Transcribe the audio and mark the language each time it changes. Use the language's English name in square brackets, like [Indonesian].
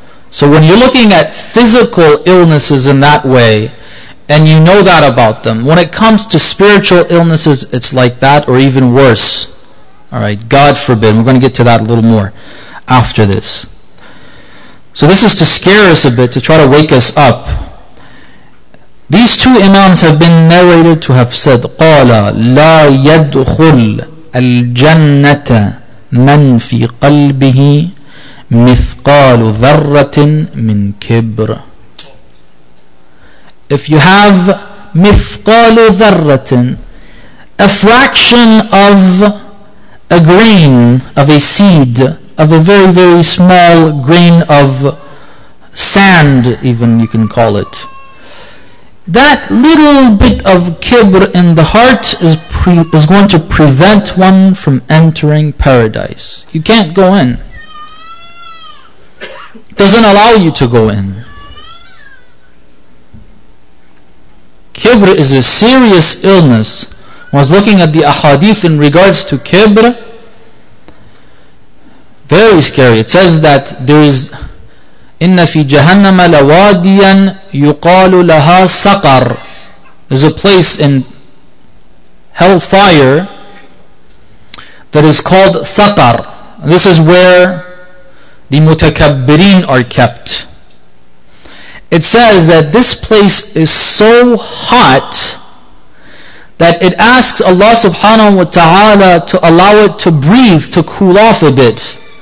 [English] So when you're looking at physical illnesses in that way, and you know that about them, when it comes to spiritual illnesses, it's like that or even worse. Alright, God forbid. We're going to get to that a little more after this. So this is to scare us a bit, to try to wake us up. These two imams have been narrated to have said, [Arabic] قَالَ لَا يَدْخُلْ الْجَنَّةَ مَنْ فِي قَلْبِهِ مِثْقَالُ ذَرَّةٍ مِنْ كِبْرٍ. [English] If you have مِثْقَالُ ذَرَّةٍ, a fraction of a grain of a seed, of a very, very small grain of sand, even you can call it. That little bit of kibr in the heart is going to prevent one from entering paradise. You can't go in. It doesn't allow you to go in. Kibr is a serious illness. I was looking at the ahadith in regards to kibr. Very scary. It says that there is [Arabic] إِنَّ فِي جَهَنَّمَ لَوَادِيًا يُقَالُ لَهَا سَقَرْ. [English] There's a place in hellfire that is called Saqar. This is where the mutakabbirin are kept. It says that this place is so hot that it asks Allah subhanahu wa ta'ala to allow it to breathe, to cool off a bit.